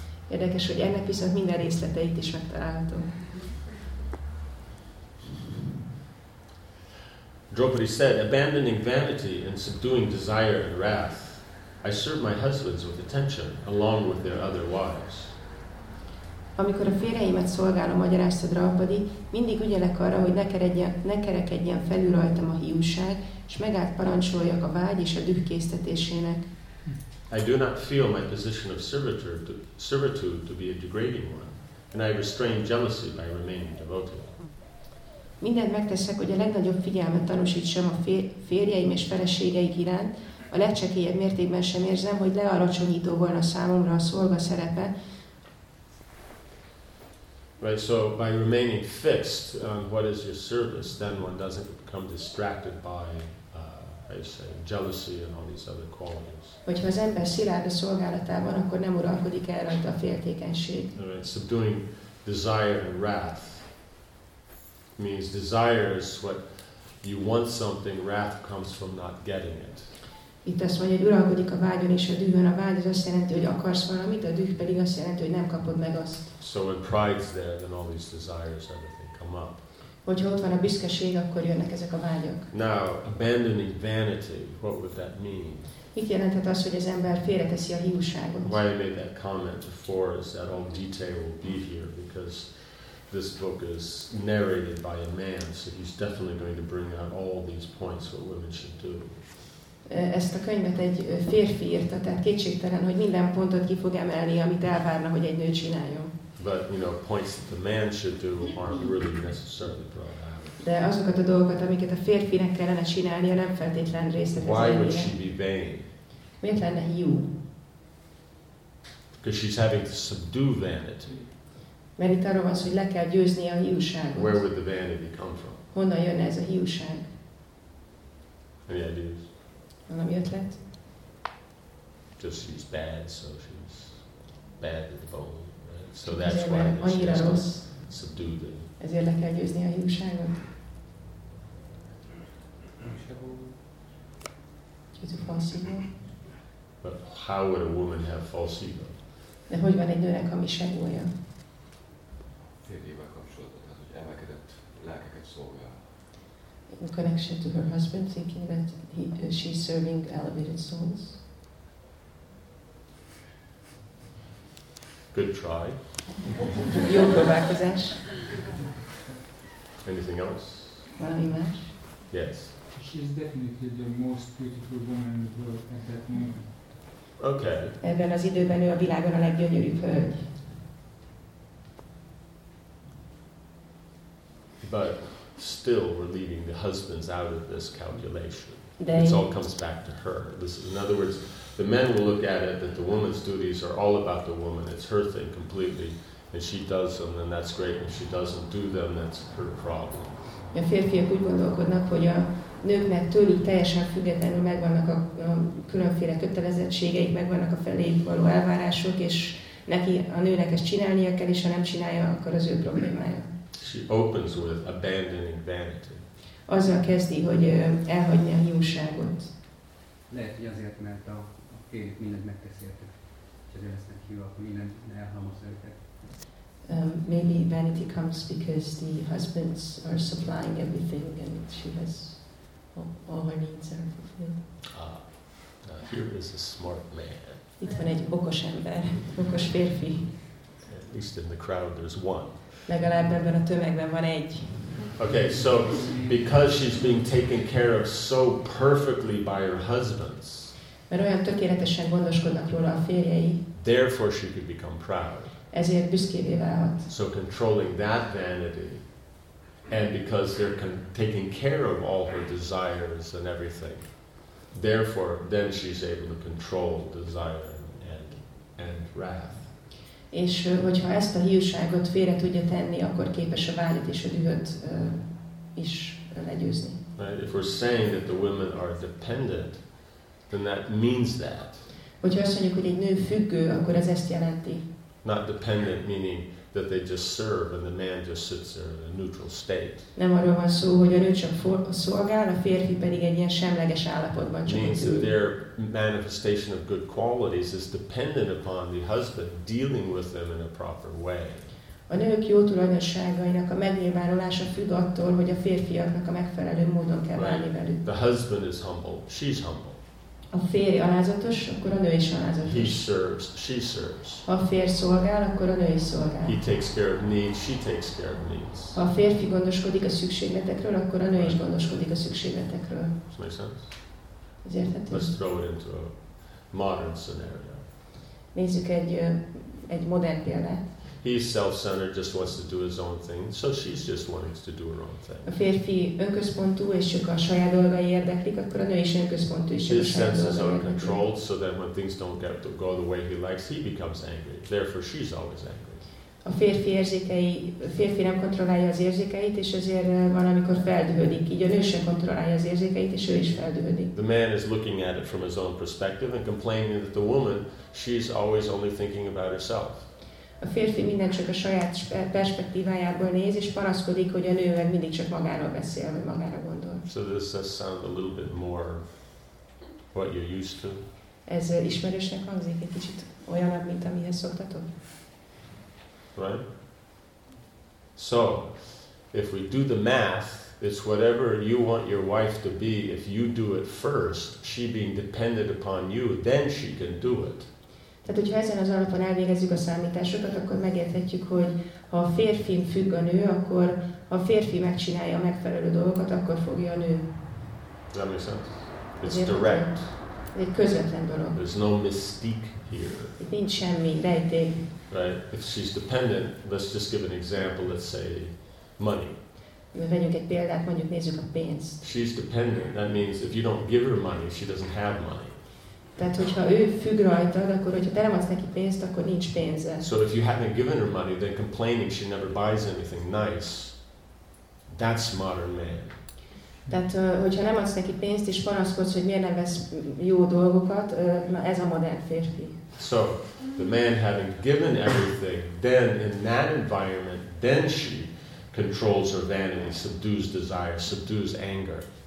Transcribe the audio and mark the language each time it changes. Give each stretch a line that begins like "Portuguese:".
Hungarian: Érdekes, hogy ennek viszont minden részleteit is megtalálható.
English: Draupadi said, abandoning vanity and subduing desire and wrath, I serve my husbands with attention, along with their other wives.
Hungarian: Amikor a férjeimet szolgálom, magyarázta Draupadi, mindig ügyelek arra, hogy ne kerekedjen felül rajtam a hiúság, és megállt parancsoljak a vágy és a düh késztetésének.
English: I do not feel my position of servitude to be a degrading one, And I restrain jealousy by remaining devoted.
Hungarian: Mindent megteszek, hogy a legnagyobb figyelmet tanúsítsam a férjeim és feleségeik iránt, a legcsekélyebb mértékben sem érzem, hogy lealacsonyító volna számomra a szolga szerepe.
English: Right, so by remaining fixed on what is your service, then one doesn't become distracted by, jealousy and all these other qualities.
Hungarian: Hogyha az ember szilárd a szolgálatában, akkor nem uralkodik el rajta a féltékenység.
English: Right, subduing desire and wrath means desire is what you want something, wrath comes from not getting it.
Hungarian: Itt azt mondja, hogy uralkodik a vágyon és a dühön. A vágy az azt jelenti, hogy akarsz valamit, a düh pedig azt jelenti, hogy nem kapod meg azt.
English: So when pride's there, then all these desires, everything come up.
Hungarian: Hogyha ott van a büszkeség, akkor jönnek ezek a vágyok.
English: Now, abandoning vanity, what would that mean?
Hungarian: Mit jelenthet az, hogy az ember félreteszi a hiúságot?
English: Why I made that comment before is that all detail will be here, because this book is narrated by a man, so he's definitely going to bring out all these points what women should do.
Hungarian: Ezt a könyvet egy férfi írta, tehát kétségtelen, hogy minden pontot ki fog emelni, amit elvárna, hogy egy nő csináljon.
English: But, you know, points that the man should do aren't really necessarily brought out.
Hungarian: De azokat a dolgokat, amiket a férfinek kellene csinálnia, nem feltétlen részletezni.
English: Why would she be vain?
Hungarian: Miért lenne hiú?
English: Because she's having to subdue vanity.
Hungarian: Mert itt arról van szó, hogy le kell győznie a hiúságot.
English: Where would the vanity come from?
Hungarian: Honnan jönne ez a hiúság?
English: Any ideas?
Hungarian: Valami ötlet?
English: Just she's bad, so she's bad to the bone. Right? So that's why this is subdued.
Hungarian: Ezért le kell győzni a hiúságot.
English: Is it false ego? But how would a woman have false ego?
Hungarian: De hogy van egy nőnek hamis egója? Férjével kapcsolatban, tehát hogy emelkedett lelkeket szolgál.
English: In connection to her husband, thinking that she's serving elevated souls. Good try.
Hungarian: Jó próbálkozás.
English: Anything else?
Hungarian: Valami más?
English: Yes. She's definitely the most beautiful woman in the world at that moment. Okay.
Hungarian: Ebben az időben ő a világon a leggyönyörűbb hölgy.
English: But still, we're leaving the husbands out of this calculation. It all comes back to her. This is, in other words, the men will look at it that the woman's duties are all about the woman. It's her thing completely, and she does them, then that's great. And she doesn't do them, that's her problem.
Hungarian: A férfiak úgy gondolkodnak, hogy a nőknek tőlük teljesen függetlenül megvannak a különféle kötelezettségeik, megvannak a felé való elvárások, és neki a nőnek ezt csinálnia kell, és ha nem csinálja, akkor az ő problémája.
English: She opens with abandoning vanity.
Hungarian: Azzal kezdi, hogy elhagyja a hiúságot. Lehet, hogy azért, mert a férjük mindent megteszi érte. És azért lesznek hiú, akkor mindent elhamozza őket.
English: Maybe vanity comes because the husbands are supplying everything and she has all her needs are fulfilled. Ah, now here is a smart man.
Hungarian: Itt van egy okos ember, okos férfi.
English: At least in the crowd there's one.
Hungarian: Legalább ebben a tömegben van egy.
English: Okay, so because she's being taken care of so perfectly by her husbands.
Hungarian: Mert olyan tökéletesen gondoskodnak róla a férjei.
English: Therefore she could become proud.
Hungarian: Ezért büszkévé válhat.
English: So controlling that vanity, and because they're taking care of all her desires and everything, therefore then she's able to control desire and wrath.
Hungarian: És hogyha ezt a hiúságot félre tudja tenni, akkor képes a vágyat és a dühöt is legyőzni.
English: Right, if we're saying that the women are dependent, then that means that.
Hungarian: Hogyha azt mondjuk, hogy egy nő függő, akkor ez ezt jelenti.
English: Not dependent meaning that they just serve and the man just sits there in a neutral state.
Hungarian: Nem arról van szó, hogy a nő csak szolgál, a férfi pedig egy ilyen semleges állapotban csak.
English: Means that their manifestation of good qualities is dependent upon the husband dealing with them in a proper way.
Hungarian: A nők jó tulajdonságainak a megnyilvánulása függ attól, hogy a férfiaknak a megfelelő módon kell bánni velük.
English: The husband is humble, she's humble.
Hungarian: A férj alázatos, akkor a nő is alázatos.
English: He serves, she serves.
Hungarian: Ha a férj szolgál, akkor a nő is szolgál.
English: He takes care of needs, she takes care of needs.
Hungarian: Ha a férfi gondoskodik a szükségletekről, akkor a nő is gondoskodik a szükségletekről.
English: Does that make sense?
Hungarian: Ez érthető.
English: Let's throw it into a modern scenario.
Hungarian: Nézzük egy modern példát.
English: He's self-centered, just wants to do his own thing. So she's just wanting to do her own thing.
Hungarian: A férfi önközpontú, és csak a saját dolgai érdeklik, akkor a nő is önközpontú, és
English: his senses are controlled, so that when things don't get to go the way he likes, he becomes angry. Therefore, she's always angry.
Hungarian: A férfi érzékei, a férfi nem kontrollálja az érzékeit, és ezért van, amikor feldühödik. Így a nő sem kontrollálja az érzékeit, és ő is feldühödik.
English: The man is looking at it from his own perspective and complaining that the woman, she's always only thinking about herself.
Hungarian: A férfi mindent csak a saját perspektívájából néz, és panaszkodik, hogy a nő meg mindig csak magáról beszél, vagy magára gondol.
English: So this does sound a little bit more what you're used to.
Hungarian: Ez ismerősnek hangzik, egy kicsit olyanabb, mint amihez szoktatok?
English: Right? So, if we do the math, it's whatever you want your wife to be, if you do it first, she being dependent upon you, then she can do it.
Hungarian: Tehát, hogyha ezen az alapon elvégezzük a számításokat, akkor megérthetjük, hogy ha a férfi függ a nő, akkor ha a férfi megcsinálja a megfelelő dolgokat, akkor fogja a nő.
English: That makes sense. It's direct.
Hungarian: Ez egy közvetlen dolog.
English: There's no mystique here.
Hungarian: Itt nincs semmi rejtély.
English: Right. If she's dependent, let's just give an example. Let's say money.
Hungarian: Vegyünk egy példát, mondjuk nézzük a pénzt.
English: She's dependent. That means if you don't give her money, she doesn't have money.
Hungarian: Tehát hogyha ő függ rajtad, akkor hogyha te nem adsz neki pénzt, akkor nincs pénze.
English: So if you haven't given her money, then complaining she never buys anything nice. That's modern man.
Hungarian: Tehát hogyha nem adsz neki pénzt és panaszkodsz, hogy miért nem vesz jó dolgokat, ez a modern férfi.
English: So, the man having given everything, then in that environment, then she controls her vanity, subdues desire, subdues anger.